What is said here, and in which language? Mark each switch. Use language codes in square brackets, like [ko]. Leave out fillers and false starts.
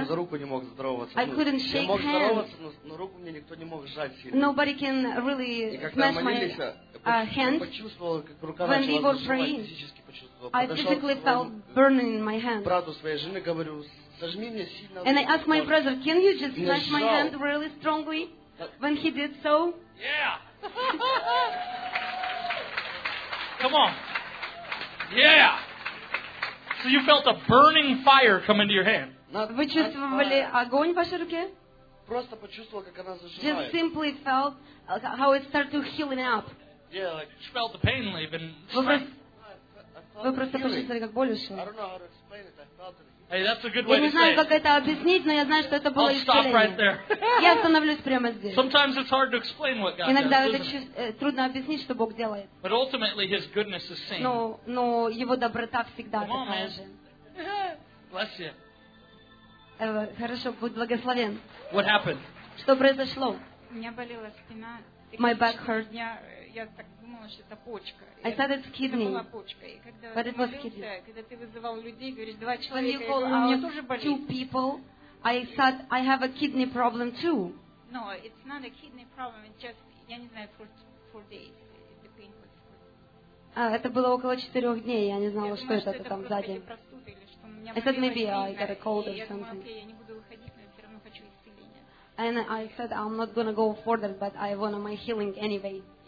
[ru] Я за руку не мог здороваться. [en] I couldn't shake hands. [ru] Я мог здороваться, но руку мне никто не мог сжать сильно. [en] Nobody can really smash my hands. When we were praying, I physically felt burning in my hand. [ru] Брату своей жены говорю, сожми мне сильно. [en] And I asked my brother, can you just smash my hand really strongly? When he did so. Yeah. Come on. Yeah. So you felt a burning fire come into your hand. [ru] Вы чувствовали огонь в вашей руке? Просто почувствовал, как она зажимает. [en] Just simply felt how it started to healing up. Yeah, like you felt the pain leaving. [ru] Вы просто почувствовали, как боль ушла. [en] I don't know how to explain it. I felt it. Hey, that's a good way to say it. [ru] Я не знаю, как это объяснить, но я знаю, что это было исцеление. [en] I'll stop right there. [ru] Я остановлюсь прямо здесь. [en] Sometimes it's hard to explain what God does. [ru] Иногда это трудно объяснить, что Бог делает. [en] But ultimately, His goodness is seen. [ru] Но Его доброта всегда такая же. [en] Bless you. [ru] Хорошо, будь благословен. [en] What happened? [ru] Что произошло? У меня болела спина. [en] My back hurt. [ru] Я так думала, что это почка. [en] I thought it's kidney. [ru] Это была почка. И когда ты молился, когда ты вызывал людей, говоришь, два человека, у меня тоже болит. [en] Two people. I thought I have a kidney problem too. No, it's not a kidney problem. It's just, [ru] я не знаю, [en] for days. The pain was [ru] это было около 4 дней. Я не знала, что это там сзади. [en] I said, maybe I got a cold or something. [ru] Я не буду выходить, но я все равно хочу исцеления. [en] And I said, I'm not going to go further, but I want my healing anyway.